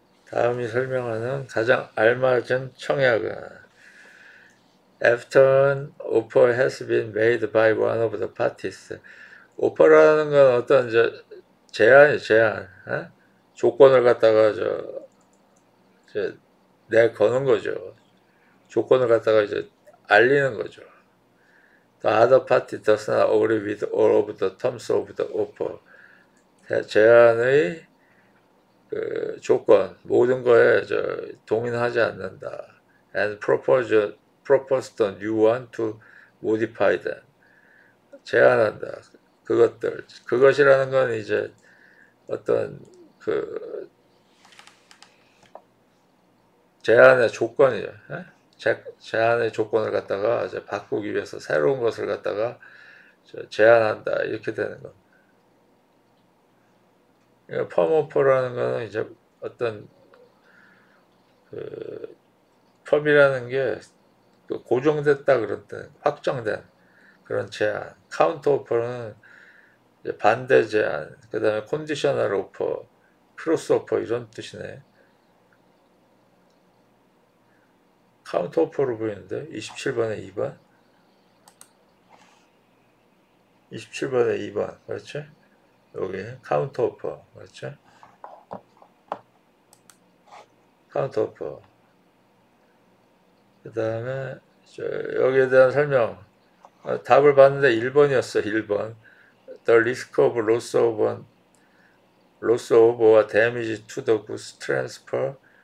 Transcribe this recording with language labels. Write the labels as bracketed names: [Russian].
[Korean] 다음이 설명하는 가장 알맞은 청약은 [English] After an offer has been made by one of the parties. [Korean] 오퍼라는 건 어떤 제안이 제안. 어? 조건을 갖다가 내거는 거죠. 조건을 갖다가 알리는 거죠. [English] The other party does not agree with all of the terms of the offer. [Korean] 제안의 그 조건, 모든 거에 동의하지 않는다. [English] And proposed a new one to modify them. [Korean] 제안한다. 그것들. 그것이라는 건 어떤 제안의 조건이죠. 제안의 조건을 갖다가 바꾸기 위해서 새로운 것을 갖다가 제안한다. 이렇게 되는 겁니다. 펌오퍼라는 거는 어떤 펌이라는 게 고정됐다 그랬던 확정된 그런 제안. 카운터오퍼는 반대 제안, 그다음에 컨디셔널 오퍼, 크로스 오퍼 이런 뜻이네. 카운터오퍼로 보이는데 27번에 2번, 27번에 2번 그렇지? 여기 카운터오퍼 그렇죠? 카운터오퍼. 그다음에 여기에 대한 설명. 답을 봤는데 1번이었어. 1번. [English] The risk of loss of or damage to the goods transfers.